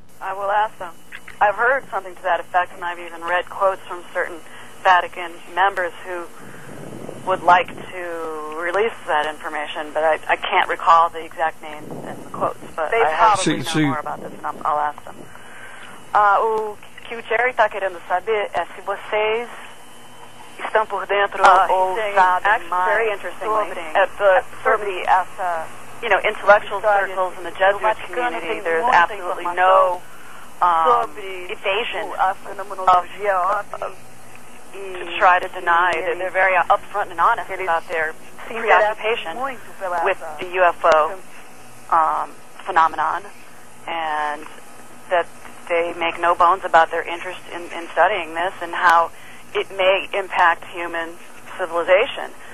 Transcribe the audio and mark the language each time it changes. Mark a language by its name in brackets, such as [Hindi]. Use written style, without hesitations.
[English] I will ask them. I've heard something to that effect, and I've even read quotes from certain Vatican members who would like to release that information, but I can't recall the exact names and the quotes, but they probably know more about this, and I'll ask them. [Portuguese] O que o Jerry está querendo saber é se vocês estão por dentro ou sabem mais sobre essa... [English] You know, intellectual circles in the Jesuit community, there's absolutely no evasion to try to deny that they're very upfront and honest about their preoccupation with the UFO phenomenon, and that they make no bones about their interest in studying this and how it may impact human civilization.